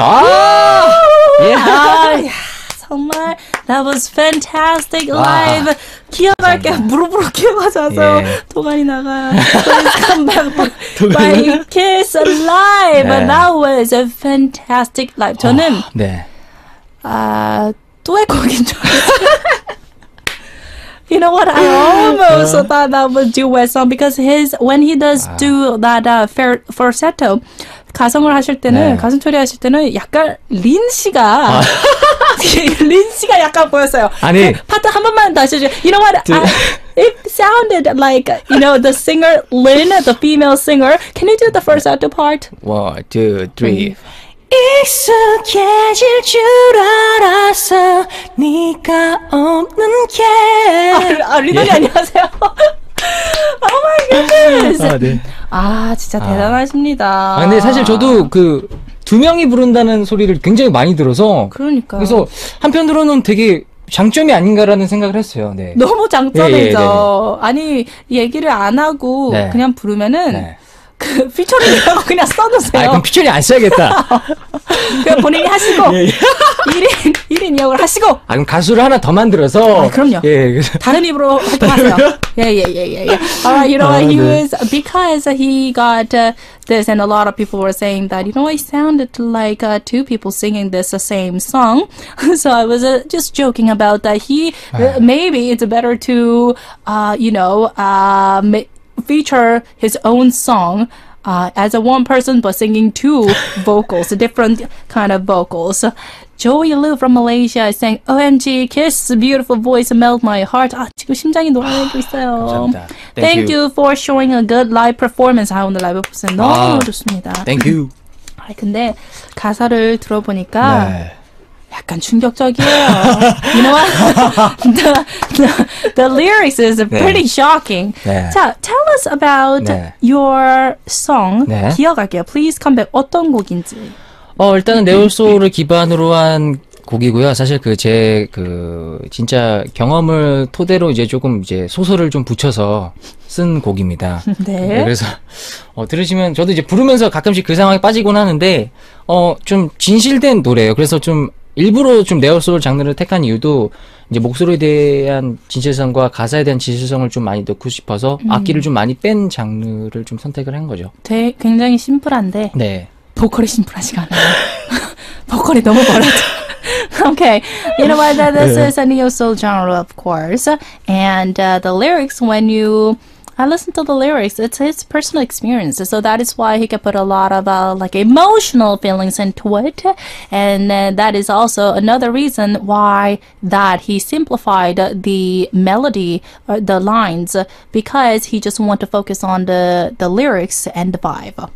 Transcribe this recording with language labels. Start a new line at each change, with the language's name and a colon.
Korean: 아! 야! 정말
English: that was fantastic live.
Korean: 기어갈게 무릎으로 기어가자서 동안이 나가.
English: Come back by KIXS live.
Korean: 네.
English: That was a fantastic live.
Korean: 저는 네. 아 또 할 곡인 줄 알았어요.
English: You know what? I almost thought that was duet song because his when he does do that falsetto
Korean: 가성을 하실 때는 네. 가슴 처리 하실 때는 약간 린 씨가 린 씨가 약간 보였어요. 아니 파트 한 번만 다시 해주세요.
English: You know what? It sounded like you know the singer Lin, the female singer. Can you do the first outro part? One, two, three.
Korean: 익숙해질 줄 알아서 네가 없는 게. 아 리더님 안녕하세요.
English: Oh my goodness.
Korean: 아, 네. 아 진짜 대단하십니다. 아, 근데 사실 저도 그 두 명이 부른다는 소리를 굉장히 많이 들어서 그러니까 그래서 한편으로는 되게 장점이 아닌가라는 생각을 했어요. 네. 너무 장점이죠. 예, 예, 네. 아니 얘기를 안 하고 네. 그냥 부르면은 네. 그 피처링 그냥 써주세요. 아, 그럼 피처링 안 써야겠다. 그냥 본인이 하시고 예, 예. 1인 2역을 하시고 아, 그럼 가수를 하나 더 만들어서 아, 그럼요. 예, 다른 입으로 활동하세요.
English: Yeah. All right, you know, he was because he got this, and a lot of people were saying that you know, it sounded like two people singing this same song. So I was just joking about that. He maybe it's better to, you know, feature his own song as a one person but singing two vocals, different kind of vocals. Joey Liu from Malaysia is saying, OMG, KIXS, beautiful voice, melt my heart.
Korean: 아, 지금 심장이 노래하고 있어요. 감사합니다.
English: Thank you for showing a good live performance.
Korean: 아, 오늘 라이브 보세요. 너무 좋습니다.
English: Thank you.
Korean: 아, 근데 가사를 들어보니까 네. 약간 충격적이에요.
English: You know what? the lyrics is pretty
Korean: 네.
English: shocking.
Korean: 네. 자,
English: tell us about
Korean: 네.
English: your song. 네.
Korean: 기억할게요.
English: Please come back.
Korean: 어떤 곡인지. 일단은 네오소울을 기반으로 한 곡이고요. 사실 그 제 그 진짜 경험을 토대로 이제 조금 이제 소설을 좀 붙여서 쓴 곡입니다. 네. 그래서 들으시면 저도 이제 부르면서 가끔씩 그 상황에 빠지곤 하는데 좀 진실된 노래예요. 그래서 좀 일부러 좀 네오소울 장르를 택한 이유도 이제 목소리에 대한 진실성과 가사에 대한 진실성을 좀 많이 넣고 싶어서 악기를 좀 많이 뺀 장르를 좀 선택을 한 거죠. 굉장히 심플한데. 네. 보컬이 심플하지가 않아요. 보컬이 너무 멀어져.
English: Okay, you know what? This is a neo soul genre, of course. And the lyrics, when you I listened to the lyrics. It's his personal experience. So that is why he can put a lot of like emotional feelings into it. And that is also another reason why that he simplified the melody, the lines, because he just want to focus on the lyrics and the vibe.